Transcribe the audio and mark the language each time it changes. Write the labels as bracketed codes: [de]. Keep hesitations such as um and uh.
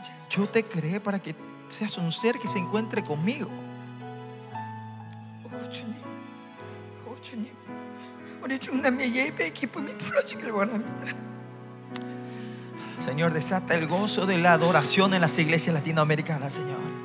[es] Yo te creé para que seas un ser que se encuentre conmigo. [ko] Oh, 주님. Oh, 주님. 우리 중남의 예배의 기쁨이 풀어지길 [es] Señor, desata el gozo de la adoración en las iglesias latinoamericanas, Señor.